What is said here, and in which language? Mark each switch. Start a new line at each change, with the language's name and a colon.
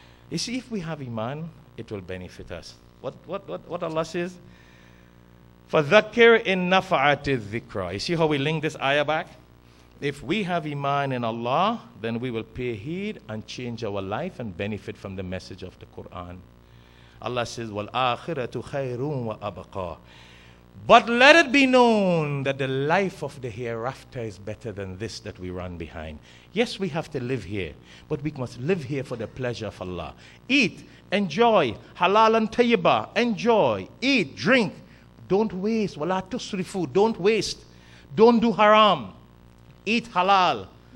English: You see, if we have iman, it will benefit us. What Allah says?
Arabic: فَذَكِّرْ إِن نَفَعَتِ الذِّكْرَى.
English: You see how we link this ayah back? If we have iman in Allah, then we will pay heed and change our life and benefit from the message of the Quran. Allah says,
Arabic: وَالْآخِرَةُ خَيْرٌ وَأَبْقَى.
English: But let it be known that the life of the hereafter is better than this that we run behind. Yes, we have to live here, but we must live here for the pleasure of Allah. Eat, enjoy, halal and tayyibah, enjoy, eat, drink. Don't waste,
Arabic: wala tusrifu,
English: don't waste. Don't do haram, eat halal.